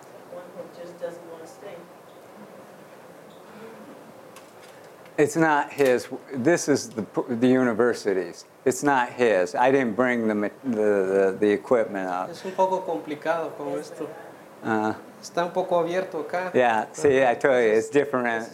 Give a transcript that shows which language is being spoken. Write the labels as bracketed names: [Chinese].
[English] One that just doesn't want to stay. It's not his. This is the university's. It's not his. I didn't bring the equipment up. [Spanish] Es un poco complicado con esto. Está un poco abierto acá. [English] Yeah, see, I told you, it's different.